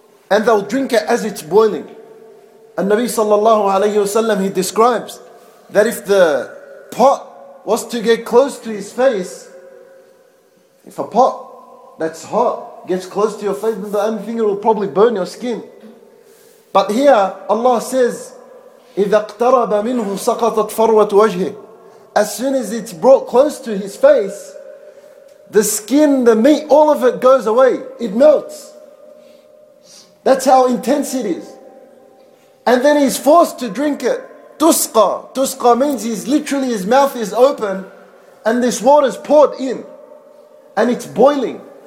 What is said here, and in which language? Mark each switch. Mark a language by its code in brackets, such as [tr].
[en] And they'll drink it as it's boiling. And Nabi sallallahu alayhi wasallam, he describes that if the pot was to get close to his face, if a pot that's hot gets close to your face, then the only thing, it will probably burn your skin. But here Allah says, [ar] إِذَا اقْتَرَبَ مِنْهُ سَقَطَتْ فَرْوَةُ وَجْهِ. [en] As soon as it's brought close to his face, the skin, the meat, all of it goes away. It melts. That's how intense it is. And then he's forced to drink it. Tusqa. Tusqa means he's literally, his mouth is open and this water is poured in and it's boiling.